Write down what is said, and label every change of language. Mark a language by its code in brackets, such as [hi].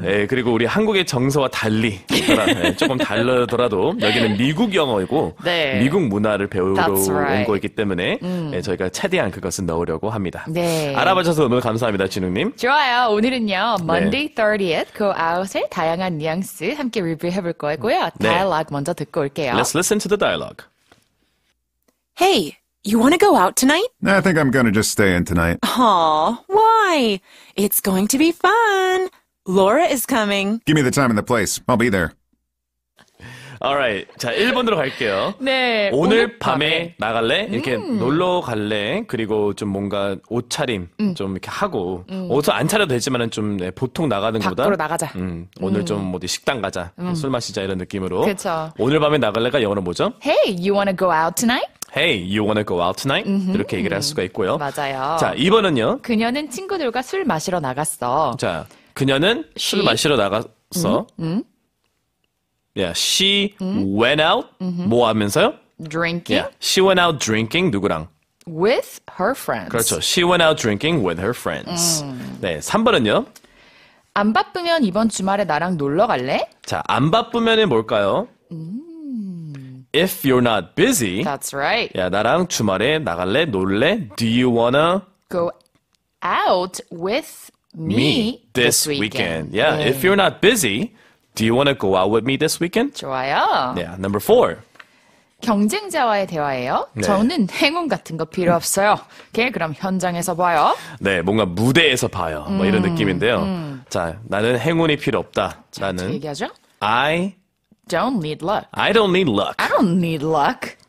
[ko] 네, 그리고 우리 한국의 정서와 달리 조금 다르더라도 여기는 미국 영어이고 네. 미국 문화를 배우러 [en] right. [ko] 온 거이기 때문에 네, 저희가 최대한 그것을 넣으려고 합니다. 네. 알아봐주셔서 너무 감사합니다, 진욱님. 좋아요. 오늘은요, Monday 30th, Go Out의 다양한 뉘앙스 함께 해볼 거고요. 다이얼로그 먼저 듣고 올게요. [en] Let's listen to the dialogue. Hey, you want to go out tonight? I think I'm going to just stay in tonight. Aw, why? It's going to be fun. Laura is coming. Give me the time and the place. I'll be there. [ko] Alright, 자 1번으로 갈게요. 네. 오늘 밤에 나갈래? 이렇게 놀러 갈래? 그리고 좀 뭔가 옷차림 좀 이렇게 하고 옷을 안 차려도 되지만은 좀 네, 보통 나가는 것보다 밖으로 나가자. 오늘 좀 어디 식당 가자. 술 마시자 이런 느낌으로. 그렇죠. 오늘 밤에 나갈래가 영어로 뭐죠? [en] Hey, you wanna go out tonight? Hey, you wanna go out tonight? [ko] 이렇게 얘기를 할 수가 있고요. 맞아요. 자 2번은요. 그녀는 친구들과 술 마시러 나갔어. 자 그녀는 술 마시러 나갔어. [en] Yeah, she went out. [ko] 뭐 하면서요? [en] Drinking. Yeah, she went out drinking. [ko] 누구랑? [en] With her friends. [ko] 그렇죠. [en] She went out drinking with her friends. [ko] 네, 3번은요? 안 바쁘면 이번 주말에 나랑 놀러 갈래? 자, 안 바쁘면 뭘까요? [en] If you're not busy. That's right. [ko] Yeah, 나랑 주말에 나갈래? 놀래? [en] Do you wanna go out with me this weekend? Yeah, if you're not busy. Do you want to go out with me this weekend? [ko] 좋아요. [en] Yeah, number four. [ko] 경쟁자와의 대화예요. 네. 저는 행운 같은 거 필요 없어요. 걔 그럼 현장에서 봐요. 네, 뭔가 무대에서 봐요. 뭐 이런 느낌인데요. 자, 나는 행운이 필요 없다. 자, 나는 얘기하죠? [en] I don't need luck. I don't need luck. I don't need luck.